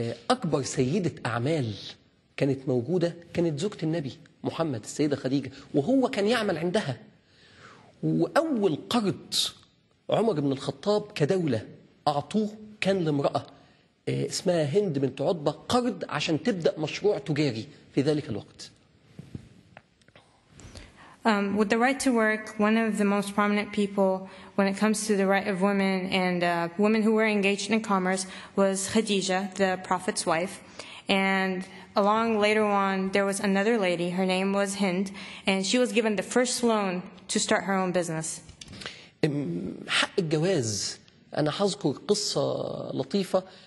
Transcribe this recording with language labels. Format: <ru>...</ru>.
<ar>أكبر سيدة أعمال كانت موجودة كانت زوجة النبي محمد السيدة خديجة، وهو كان يعمل عندها. وأول قرض عمر بن الخطاب كدولة أعطوه كان لامرأة اسمها هند بنت عتبة، قرض عشان تبدأ مشروع تجاري في ذلك الوقت.</ar> <en>With the right to work, one of the most prominent people when it comes to the right of women and women who were engaged in commerce was Khadija, the Prophet's wife. And along later on, there was another lady, her name was Hind, and she was given the first loan to start her own business.</en> <ar>حق الجواز، أنا حذكر قصة لطيفة.</ar>